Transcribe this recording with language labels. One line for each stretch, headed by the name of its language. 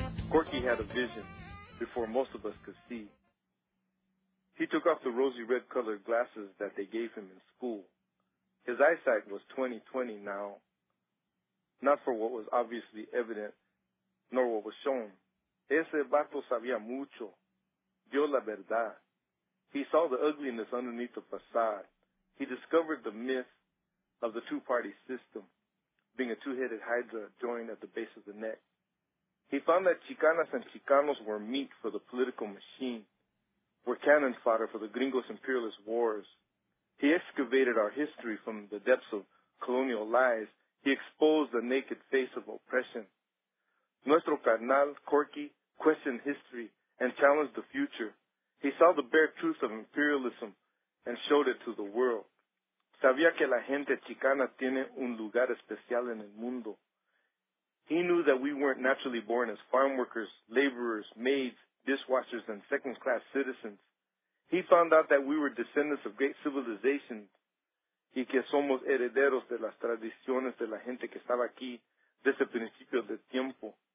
English: Corky had a vision before most of us could see. He took off the rosy red colored glasses that they gave him in school. His eyesight was 20/20 now, not for what was obviously evident, nor what was shown.
Spanish: Ese vato sabía mucho, vio la verdad.
English: He saw the ugliness underneath the facade. He discovered the myth of the two-party system, being a two-headed hydra joined at the base of the neck. He found that Chicanas and Chicanos were meat for the political machine, were cannon fodder for the gringos' imperialist wars. He excavated our history from the depths of colonial lies. He exposed the naked face of oppression.
Spanish: Nuestro carnal,
English: Corky, questioned history and challenged the future. He saw the bare truth of imperialism and showed it to the world.
Spanish: Sabía que la gente chicana tiene un lugar especial en el mundo.
English: He knew that we weren't naturally born as farm workers, laborers, maids, dishwashers, and second-class citizens. He found out that we were descendants of great civilizations,
Spanish: y que somos herederos de las tradiciones de la gente que estaba aquí desde principio del tiempo.